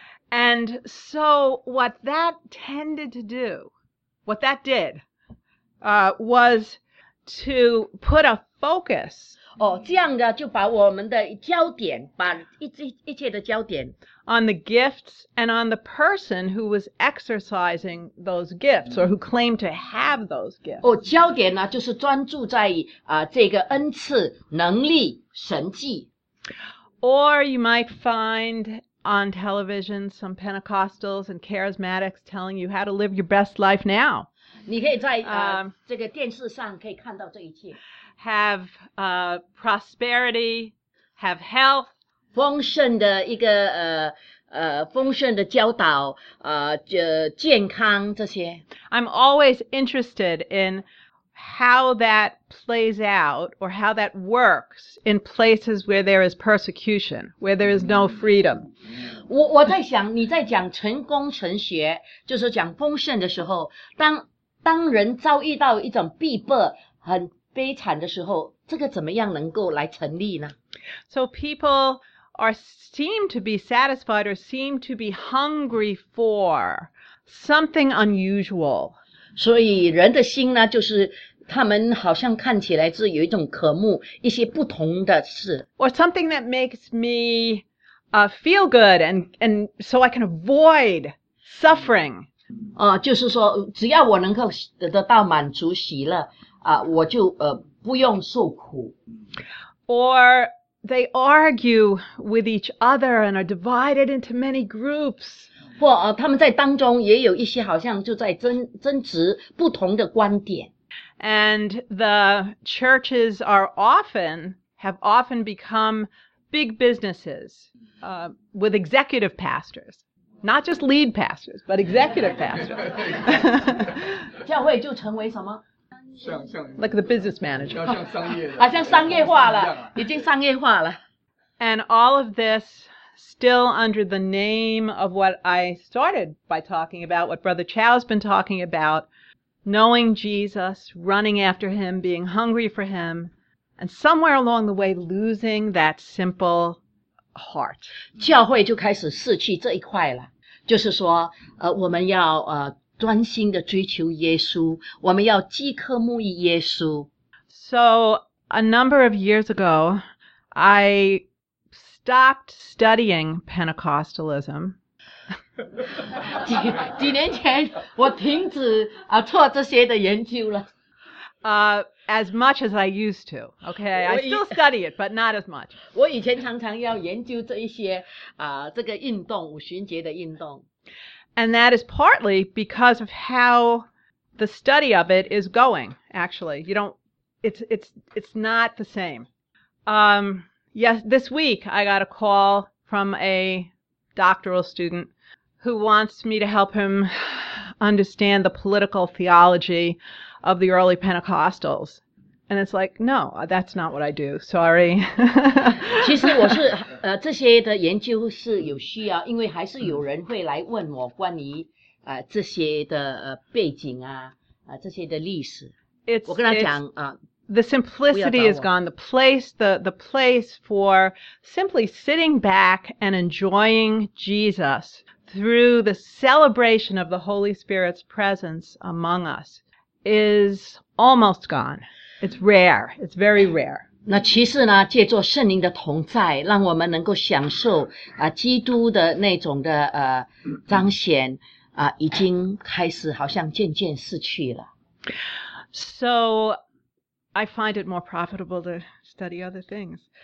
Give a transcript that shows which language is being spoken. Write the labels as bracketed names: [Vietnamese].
[English] And so what that tended to do, what that did, was to put a focus. [Chinese] 这样的就把我们的焦点，把一切的焦点。 [English] On the gifts and on the person who was exercising those gifts or who claimed to have those gifts. [Chinese] 焦点呢就是专注在这个恩赐、能力、神迹。 [English] Or you might find on television, some Pentecostals and Charismatics telling you how to live your best life now. [Chinese] 你可以在这个电视上可以看到这一切。 [English] Have prosperity, have health. [Chinese] 丰盛的一个丰盛的教导健康这些。 [English] I'm always interested in how that plays out or how that works in places where there is persecution, where there is no freedom. [Chinese] 我在想你在讲成功成学就是讲丰盛的时候当人遭遇到一种逼迫很悲惨的时候这个怎么样能够来成立呢 [English] So people seem to be satisfied or seem to be hungry for something unusual. [Chinese] 所以人的心呢就是他们好像看起来是有一种渴慕一些不同的事。 [English] Or something that makes me, feel good and so I can avoid suffering. [Chinese] 就是说只要我能够得到满足喜乐我就不用受苦。 [English] Or they argue with each other and are divided into many groups. [Chinese] 或他们在当中也有一些好像就在争执不同的观点。 [English] And the churches have often become big businesses, with executive pastors. Not just lead pastors, but executive pastors. [Chinese] 教会就成为什么？像 [English] Like the business manager. [Chinese] 要像商业。啊，像商业化了，已经商业化了。 [English] And all of this still under the name of what I started by talking about, what Brother Chow's been talking about,knowing Jesus, running after him, being hungry for him, and somewhere along the way losing that simple heart. [Chinese] 教会就开始失去这一块了。就是说我们要专心的追求耶稣，我们要饥渴慕义耶稣。 [English] So a number of years ago, I stopped studying Pentecostalism. [Chinese] 几年前我停止啊做这些的研究了。 [English] As much as I used to, okay? I still study it, but not as much. [Chinese] 我以前常常要研究这一些啊、这个运动五旬节的运动。 [English] And that is partly because of how the study of it is going, actually. You don't, it's not the same. Yes, this week I got a call from a doctoral student who wants me to help him understand the political theology of the early Pentecostals. And it's like, no, that's not what I do. Sorry. [Chinese] 其实我是这些的研究是有需要，因为还是有人会来问我关于这些的背景啊，这些的历史。我跟他讲啊。 [English] The simplicity is gone. The place for simply sitting back and enjoying Jesus through the celebration of the Holy Spirit's presence among us is almost gone. It's rare. It's very rare. [Chinese] 那其实呢，借助圣灵的同在，让我们能够享受啊基督的那种的彰显啊，已经开始好像渐渐逝去了。 [English] So. I find it more profitable to study other things.